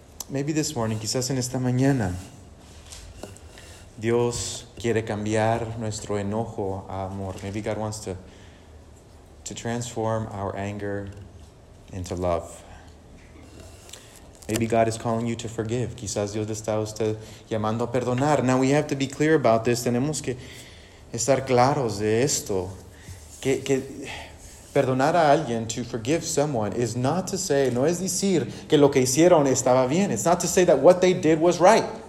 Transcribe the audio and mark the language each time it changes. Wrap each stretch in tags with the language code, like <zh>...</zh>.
<en>Maybe this morning,</en> <es>quizás en esta mañana, Dios quiere cambiar nuestro enojo a amor.</es> <en>Maybe God wants to transform our anger into love. Maybe God is calling you to forgive.</en> <es>Quizás Dios le está usted llamando a perdonar.</es> <en>Now we have to be clear about this.</en> <es>Tenemos que estar claros de esto. Que perdonar a alguien,</es> <en>to forgive someone, is not to say,</en> <es>no es decir que lo que hicieron estaba bien.</es> <en>It's not to say that what they did was right.</en>